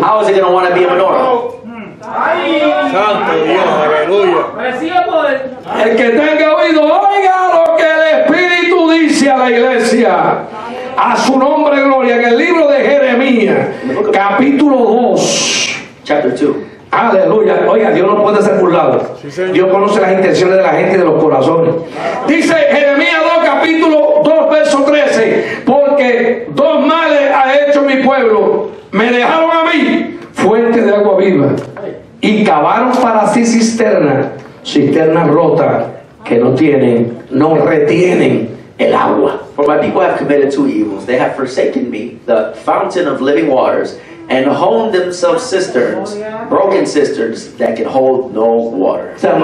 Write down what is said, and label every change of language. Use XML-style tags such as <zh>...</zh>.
<en>How is he going to want to be a menorah?</en> <es>Santo Dios, aleluya. El que tenga oído, oiga lo que el Espíritu dice a la iglesia. A su nombre, gloria. En el libro de Jeremías, capítulo 2.</es> <en>Chapter 2.</en> <es>Aleluya. Oiga, Dios no puede ser burlado. Dios conoce las intenciones de la gente y de los corazones. Dice Jeremías 2, capítulo 2, verso 13. Porque dos males ha hecho mi pueblo. Me dejaron a mí fuente de agua viva. Y cavaron para sí cisterna rota que no tienen, no retienen el agua.</es> <en>For my people have committed two evils. They have forsaken me, the fountain of living waters, and honed themselves cisterns, broken cisterns that can hold no water.</en>